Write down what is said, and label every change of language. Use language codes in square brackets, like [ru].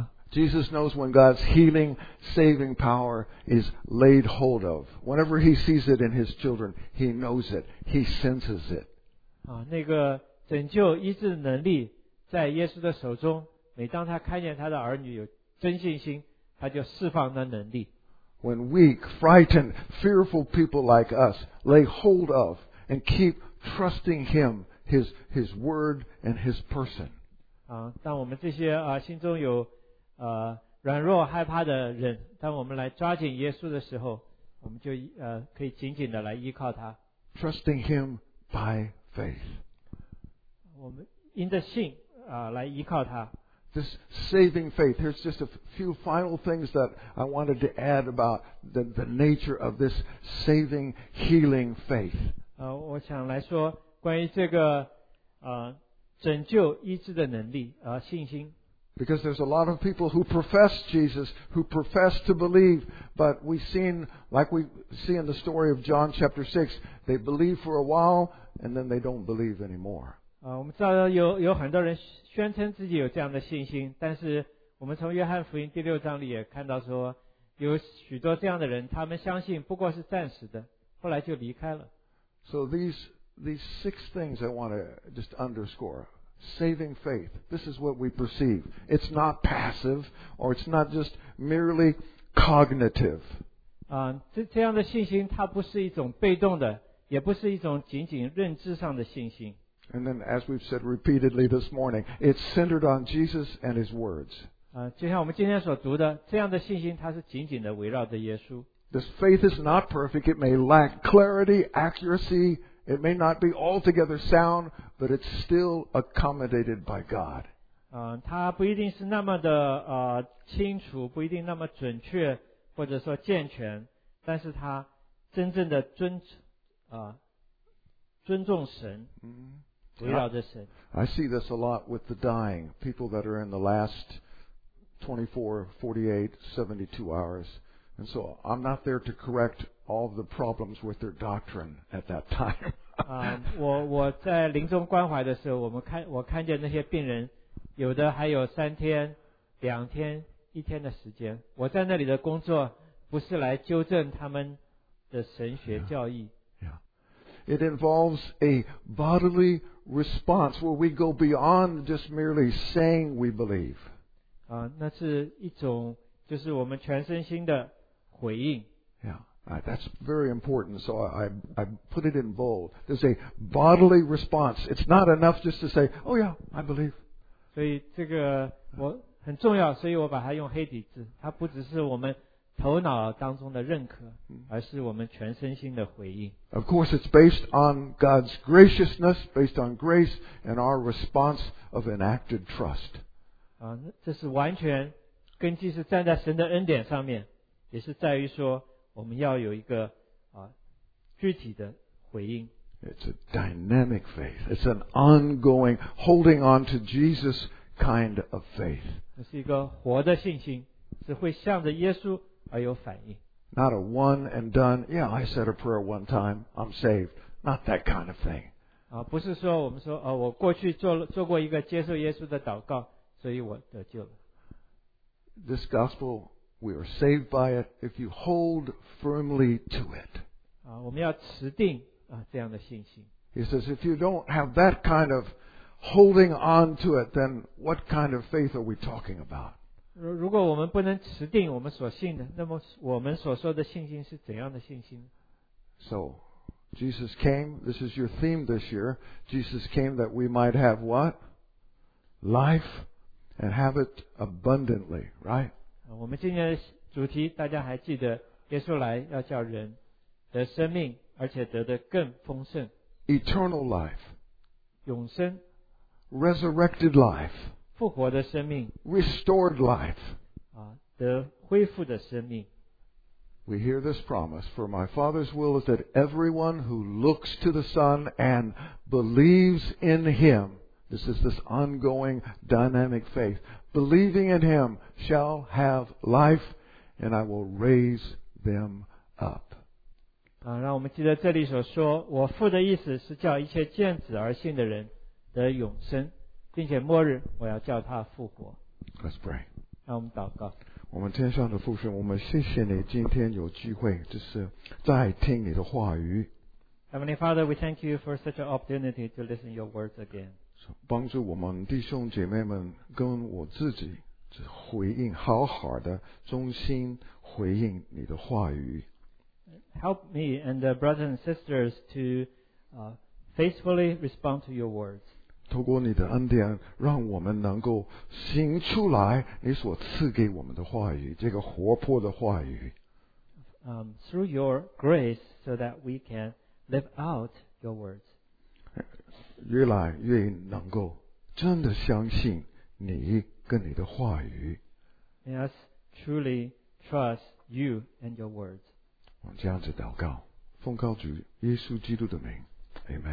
[en] Jesus knows when God's healing, saving power is laid hold of. Whenever he sees it in his children, he knows it. He senses it. [zh] 那个拯救医治能力在耶稣的手中，每当他看见他的儿女有真信心，他就释放那能力。 [en] When weak, frightened, fearful people like us lay hold of and keep trusting him, his word and his person. [zh] 当我们这些心中有软弱害怕的人，当我们来抓紧耶稣的时候，我们就可以紧紧的来依靠他。 [en] Trusting him by faith. [zh] 我们因着信来依靠他。 [en] This saving faith, here's just a few final things that I wanted to add about the nature of this saving, healing faith. [zh] 我想来说关于这个拯救医治的能力信心。 [en] Because there's a lot of people who profess Jesus, who profess to believe, but we've seen, like we see in the story of John chapter 6, they believe for a while, and then they don't believe anymore. [zh] 我们知道有很多人宣称自己有这样的信心，但是我们从约翰福音第六章里也看到说，有许多这样的人，他们相信不过是暂时的，后来就离开了。 [en] So these six things I want to just underscore. Saving faith. This is what we perceive. It's not passive, or it's not just merely cognitive. [zh] 这样的信心它不是一种被动的，也不是一种仅仅认知上的信心。 [en] And then, as we've said repeatedly this morning, it's centered on Jesus and His words. [zh] 就像我们今天所读的，这样的信心它是紧紧的围绕着耶稣。 [en] This faith is not perfect. It may lack clarity, accuracy. It may not be altogether sound. But it's still accommodated by God. [zh] 它不一定是那么的清楚，不一定那么准确，或者说健全，但是它真正的尊重神，围绕着神。 [en] I see this a lot with the dying people that are in the last 24, 48, 72 hours, and so I'm not there to correct all the problems with their doctrine at that time. [zh] 我在临终关怀的时候，我看见那些病人，有的还有三天、两天、一天的时间。我在那里的工作不是来纠正他们的神学教义。 [en] It involves a bodily response where we go beyond just merely saying we believe. [zh] 那是一种就是我们全身心的回应。 [en] That's very important, so I put it in bold. There's a bodily response. It's not enough just to say, oh yeah, I believe. [zh] 所以这个我很重要，所以我把它用黑体字。它不只是我们头脑当中的认可，而是我们全身心的回应。 [en] Of course, it's based on God's graciousness, based on grace, and our response of enacted trust. [zh] 这是完全根基是站在神的恩典上面，也是在于说我们要有一个具体的回应。 [en] It's a dynamic faith. It's an ongoing holding on to Jesus kind of faith. [zh] 这是一个活的信心，是会向着耶稣而有反应。 [en] Not a one and done. Yeah, I said a prayer one time. I'm saved. Not that kind of thing. [zh] 不是说我们说我过去做过一个接受耶稣的祷告，所以我得救了。 [en] This gospel We are saved by it if you hold firmly to it. [zh] 我们要持定这样的信心。 [en] He says, if you don't have that kind of holding on to it, then what kind of faith are we talking about? [zh] 如果我们不能持定我们所信的，那么我们所说的信心是怎样的信心？ [en] So, Jesus came. This is your theme this year. Jesus came that we might have what? Life and have it abundantly, right? [zh] 我们今天的主题大家还记得，耶稣来要叫人得生命，而且得的更丰盛。 [en] Eternal life. [zh] 永生。 [en] Resurrected life. [zh] 复活的生命。 [en] Restored life. [zh] 得恢复的生命。 [en] We hear this promise, for my Father's will is that everyone who looks to the Son and believes in Him, this is this ongoing dynamic faith, believing in Him shall have life, and I will raise them up. [zh] 让我们记得这里所说，我父的意思是叫一切见子而信的人得永生，并且末日我要叫他复活。 [en] Let's pray. [zh] 让我们祷告。我们天上的父神，我们谢谢你今天有机会就是在听你的话语。 [en] Heavenly Father, we thank you for such an opportunity to listen your words again. [zh] 帮助我们弟兄姐妹们跟我自己回应，好好的忠心回应你的话语。 [en] Help me and the brothers and sisters to faithfully respond to your words. [zh] 透过你的恩典，让我们能够行出来你所赐给我们的话语，这个活泼的话语。 [en] Through your grace, so that we can live out your words. [zh] 越来越能够真的相信你跟你的话语。 [en] May us truly trust you and your words. [zh] 我们这样子祷告，奉靠主耶稣基督的名。Amen.